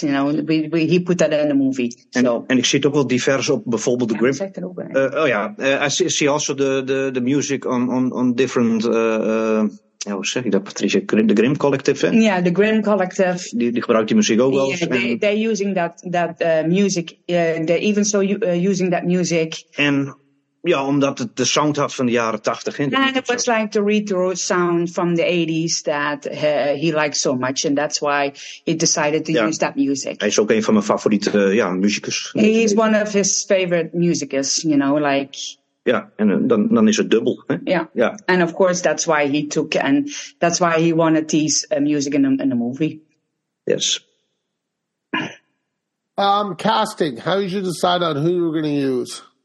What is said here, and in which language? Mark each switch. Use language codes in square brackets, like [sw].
[en] You know, he put that in the movie. [nl] En ik zie het ook wel divers op bijvoorbeeld de Grim. [en] I see also the music on different. [nl] Ja, hoe zeg ik dat, Patricia? De Grim Collective, hè? Ja, de Grim Collective. Die gebruikt die muziek ook wel. [en] They're using that music. They're even so using that music. [nl] En ja, omdat het de sound had van de jaren 80. [en] And it was like the retro sound from the 80s that he liked so much. And that's why he decided to use that music. [nl] Hij is ook een van mijn favoriete muzikus. [en] He is one of his favorite muzikus, you know, like... [nl] Ja, en dan is het dubbel. Hè? Ja. [en] Ja, and of course that's why he took and that's why he wanted these music in the movie. Yes. Casting, how did you decide on who you were going to use?